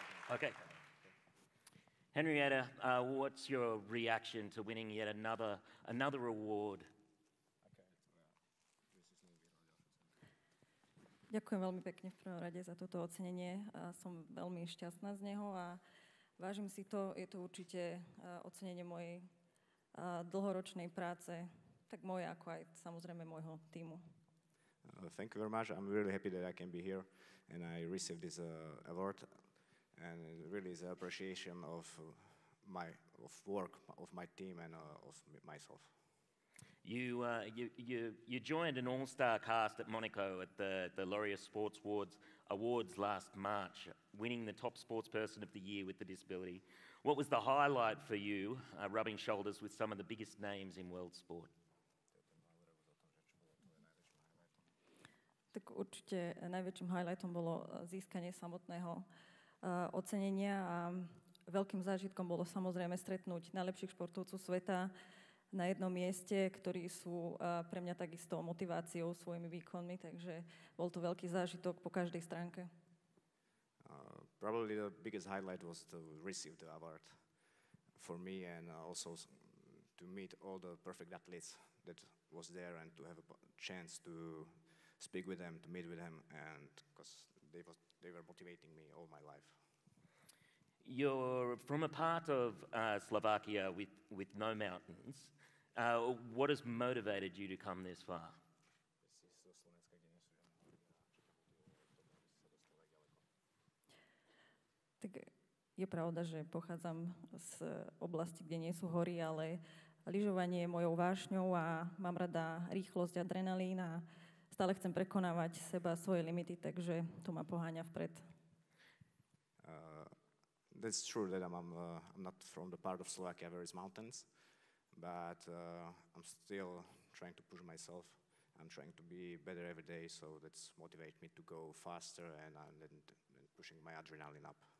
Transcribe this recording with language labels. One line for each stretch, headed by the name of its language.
English: Okay. Henrieta, what's your reaction to winning yet another award?
Slovak: Ďakujem veľmi pekne v prvom rade za toto ocenenie. Som veľmi šťastná z neho a vážim si to. Je to určite ocenenie mojej dlhoročnej práce, tak moje ako aj samozrejme môjho tímu.
English: Thank you very much. I'm really happy that I can be here and I received this award. And it really is an appreciation of my work, of my team, and of myself. You joined an all-star cast at Monaco at the Laureus Sports Awards last March, winning the top sports person of the year with the disability. What was the highlight for you, rubbing shoulders with some of the biggest names in world sport?
Slovak: Tak určite najväčším highlightom bolo získanie samotného ocenenia a veľkým zážitkom bolo samozrejme stretnúť najlepších športovcov sveta na jednom mieste, ktorí sú pre mňa takisto motiváciou svojimi výkonmi, takže bol to veľký zážitok po každej stránke.
English: Probably the biggest highlight was to receive the award for me and also to meet all the perfect athletes that was there and to have a chance to speak with them, to meet with them, and because they were motivating me all my life. You're from a part of Slovakia with no mountains. What has motivated you to come this far?
Slovak: Tak je pravda, že pochádzam z oblasti, kde nie sú hory, ale lyžovanie je mojou vášňou a mám rada rýchlosť, adrenalín a stále chcem prekonávať seba, svoje limity, takže to ma poháňa vpred.
English: that's true that I'm not from the part of Slovakia where it's mountains, but I'm still trying to push myself. I'm trying to be better every day, so that's motivate me to go faster and pushing my adrenaline up.